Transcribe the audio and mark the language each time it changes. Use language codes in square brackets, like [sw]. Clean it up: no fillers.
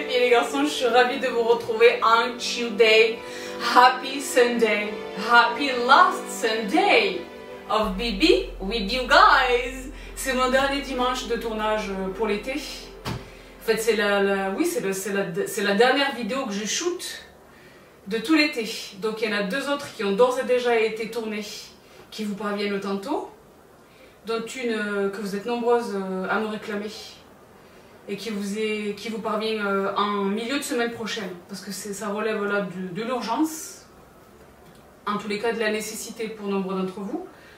[fr] Garçons, je suis ravie de vous retrouver un Tuesday. [en] Happy Sunday. Happy last Sunday of BB with you guys. [fr] C'est mon dernier dimanche de tournage pour l'été. En fait, c'est la dernière vidéo que je shoot de tout l'été. Donc, il y en a deux autres qui ont d'ores et déjà été tournées qui vous parviennent tantôt. Dont une que vous êtes nombreuses à me réclamer. Et qui vous parvient en milieu de semaine prochaine, parce que ça relève là de l'urgence, en tous les cas de la nécessité pour nombre d'entre vous.